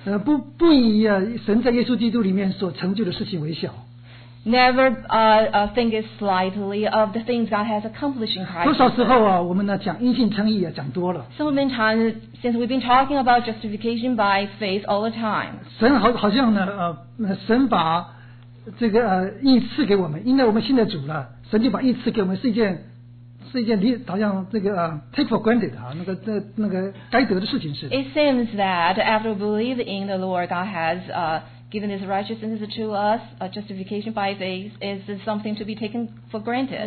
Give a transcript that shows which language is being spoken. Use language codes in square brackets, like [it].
[zh] 嗯, 不以啊, 神在耶稣基督里面所成就的事情为小。 [en] Never think it slightly of the things God has accomplished in Christ. [zh] 多少时候啊, 我们呢, 讲因信称义啊, 讲多了。 [en] So many times, since we've been talking about justification by faith all the time, [zh] 神好像呢, 神把这个, 义赐给我们, 因为我们信了主了, 神就把义赐给我们, 是一件, 是一件好像这个, [en] take for granted, [zh] 啊, 那个, 那个, 该得的事情是。 [en] It seems that after we believe in the Lord, God has given his righteousness to us, a justification by faith is something to be taken for granted.